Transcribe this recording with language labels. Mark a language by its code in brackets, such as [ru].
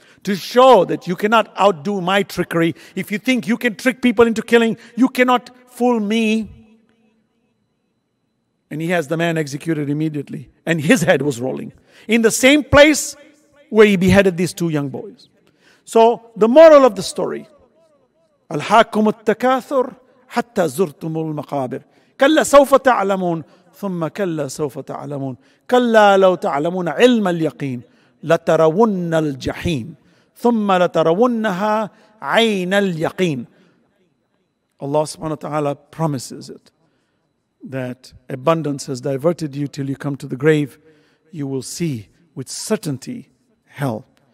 [en] to show that you cannot outdo my trickery. If you think you can trick people into killing, you cannot fool me. And he has the man executed immediately. And his head was rolling in the same place where he beheaded these two young boys. So the moral of the story, [ar] الحاكم التكاثر حتى زرتم المقابر كلا سوف تعلمون ثم كلا سوف تعلمون كلا لو تعلمون علم اليقين لترون الجحيم ثم لترونها عين اليقين. [en] Allah subhanahu wa ta'ala promises it that abundance has diverted you till you come to the grave. You will see with certainty hell.